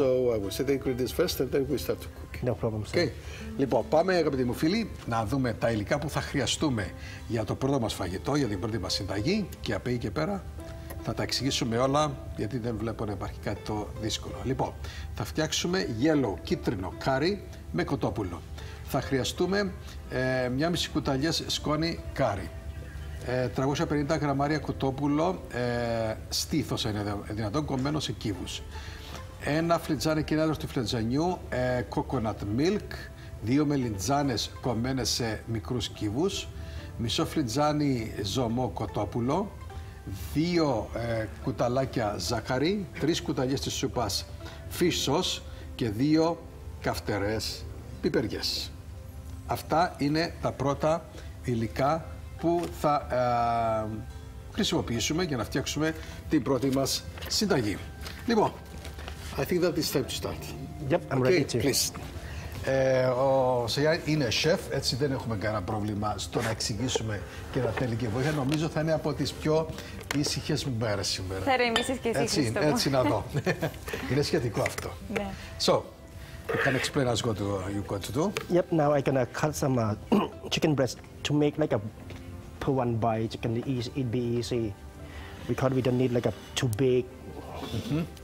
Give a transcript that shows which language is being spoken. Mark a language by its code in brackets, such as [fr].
[en] So I will say the ingredients first and then we start to cook. No problem, okay. [el] Λοιπόν, πάμε αγαπητοί μου φίλοι να δούμε τα υλικά που θα χρειαστούμε για το πρώτο μας φαγητό, για την πρώτη μας συνταγή και από εκεί και πέρα θα τα εξηγήσουμε όλα γιατί δεν βλέπω να υπάρχει κάτι το δύσκολο. Λοιπόν, θα φτιάξουμε yellow, κίτρινο κάρι με κοτόπουλο. Θα χρειαστούμε 1,5 κουταλιές σκόνη κάρι, 350 γραμμάρια κοτόπουλο, στήθος είναι δυνατόν, κομμένο σε κύβους. Ένα φλιτζάνι κυνέλος του φλιτζανιού, coconut milk, δύο μελιτζάνες κομμένες σε μικρούς κύβους, μισό φλιτζάνι ζωμό κοτόπουλο, δύο κουταλάκια ζάχαρη, τρεις κουταλιές της σούπας fish sauce και δύο καυτερές πιπεριές. Αυτά είναι τα πρώτα υλικά που θα χρησιμοποιήσουμε για να φτιάξουμε την πρώτη μας συνταγή. [en] Λοιπόν, I think that is time to start. Yep, I'm ready to. Please. [el] Ο Σεγιάν είναι σεφ, έτσι δεν έχουμε κανένα πρόβλημα στο να εξηγήσουμε και να θέλει και βοήθεια. Νομίζω θα είναι από τις πιο ήσυχες μέρες σήμερα. Θα ρεμίσεις και εσύ, έτσι, Χριστό. Έτσι να δω. Είναι σχετικό αυτό. [en] Yeah. So, you can explain us what you got to do. Yep, now I'm gonna cut some chicken breast to make like a per one bite. Can it be easy? Because we don't need like a too big. Mm-hmm.